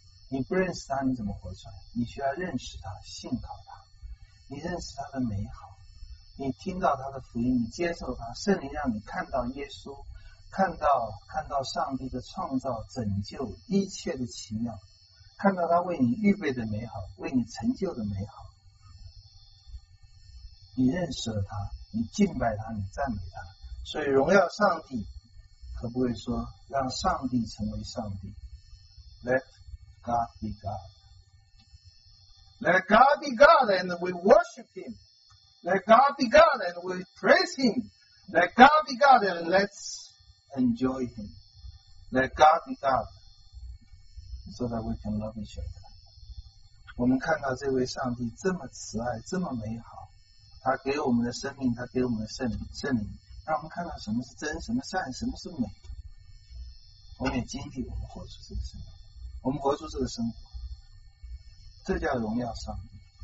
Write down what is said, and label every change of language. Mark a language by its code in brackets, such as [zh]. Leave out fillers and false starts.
[zh] 你不认识他，你怎么活出来？你需要认识他，信靠他，你认识他的美好，你听到他的福音，你接受他，圣灵让你看到耶稣，看到上帝的创造、拯救一切的奇妙，看到他为你预备的美好，为你成就的美好。你认识了他，你敬拜他，你赞美他。所以荣耀上帝，可不会说让上帝成为上帝。 [en] Let God be God. Let God be God and we worship him. Let God be God and we praise Him. Let God be God and let's enjoy Him. Let God be God so that we can love each other. [zh] 我们看到这位上帝这么慈爱，这么美好，他给我们的生命，他给我们的圣灵，让我们看到什么是真，什么善，什么是美。我们也经历，我们活出这个生命，我们活出这个生活，这叫荣耀上帝。